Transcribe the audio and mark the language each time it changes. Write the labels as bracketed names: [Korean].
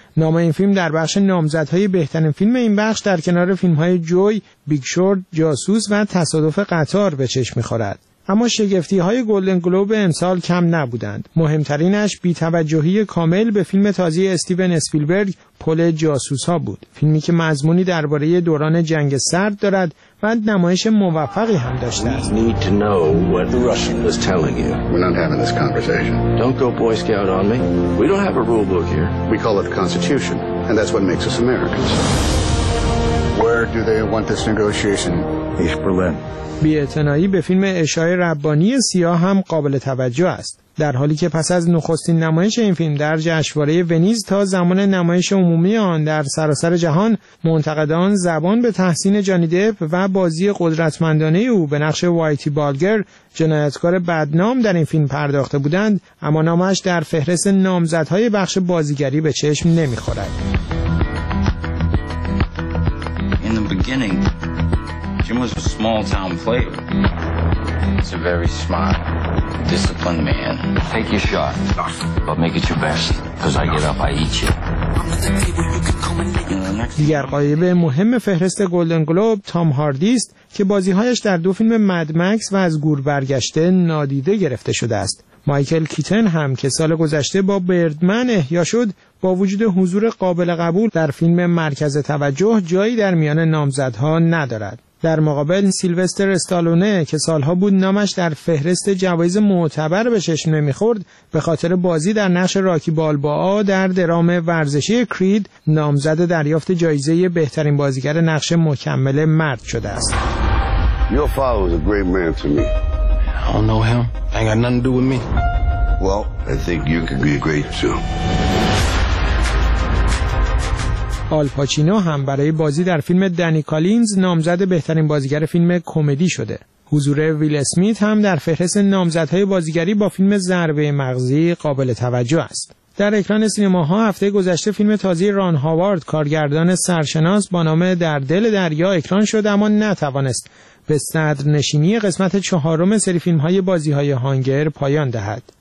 [Persian] نام این فیلم در بخش نامزدهای بهترین فیلم این بخش در کنار فیلم‌های جوی، بیگ شورت، جاسوس و تصادف قطار به چشم می‌خورد. اما شگفتی‌های گلدن گلوب امسال کم نبودند. مهمترینش بی‌توجهی کامل به فیلم تازه استیون اسپیلبرگ پل جاسوس‌ها بود. فیلمی که مضمونی درباره دوران جنگ سرد دارد و نمایش موفقی هم داشته است. [English] Need to know what the Russian was telling you. We're not having this conversation. Don't go boy scout on me. We don't have a rule book here. We call it the Constitution, and that's what makes us Americans. We're or do they want this negotiation? East Berlin. [Persian] بی‌اعتنایی به فیلم اشای ربانی سیاه هم قابل توجه است. در حالی که پس از نخستین نمایش این فیلم در جشنواره ونیز تا زمان نمایش عمومی آن در سراسر جهان، منتقدان زبان به تحسین جانی دپ و بازی قدرتمندانه او به نقش وایتی بالگر، جنایتکار بدنام در این فیلم پرداخته بودند، اما نامش در فهرست نامزدهای بخش بازیگری به چشم نمی‌خورد. [English] In the beginning, Jim was a small town player. He's a very smart, disciplined man. Take your shot, but make it your best, because I get up, I eat you. [Persian] دیگر غایب مهم فهرست گلدن گلوب تام هاردی است که بازیهایش در دو فیلم مد مکس و از گور برگشته نادیده گرفته شده است. مایکل کیتن هم که سال گذشته با بردمن احیا شد، با وجود حضور قابل قبول در فیلم مرکز توجه جایی در میان نامزدها ندارد. در مقابل سیلوستر استالونه که سالها بود نامش در فهرست جوایز معتبر به چشم نمی‌خورد، به خاطر بازی در نقش راکی بالبا در درام ورزشی کرید نامزد دریافت جایزه بهترین بازیگر نقش مکمل مرد شده است. [English] Your father was a great man to me. I don't know him. I got nothing to do with me. Well, I think you could be great too. [Persian] آل پاچینو هم برای بازی در فیلم دنی کالینز نامزد بهترین بازیگر فیلم کمدی شده. حضور ویل اسمیت هم در فهرست نامزدهای بازیگری با فیلم ضربه مغزی قابل توجه است. در اکران سینماها هفته گذشته فیلم تازه ران هاوارد کارگردان سرشناس با نام در دل دریا اکران شد، اما نتوانست به صدر نشینی قسمت چهارم سری فیلم‌های بازی‌های هانگر پایان دهد.